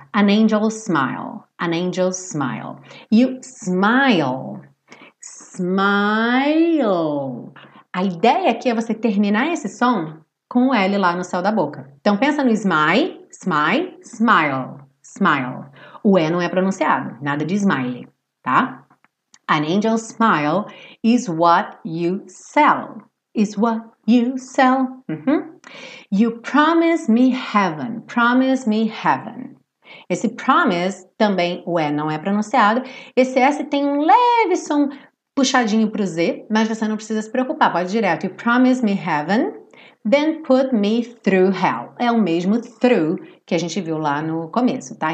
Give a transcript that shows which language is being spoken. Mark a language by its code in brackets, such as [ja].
[en] An angel's smile. An angel's smile. E o smile. Smile. [pt] A ideia aqui é você terminar esse som com o L lá no céu da boca. Então, pensa no smile, smile, smile, smile. O E não é pronunciado, nada de smile, tá? [en] An angel's smile is what you sell. Is what you sell. Uh-huh. You promise me heaven, promise me heaven. [pt] Esse promise, também o E não é pronunciado. Esse S tem um leve som puxadinho pro Z, mas você não precisa se preocupar, pode ir direto. [en] You promise me heaven. Then put me through hell. [pt] É o mesmo through que a gente viu lá no começo, tá?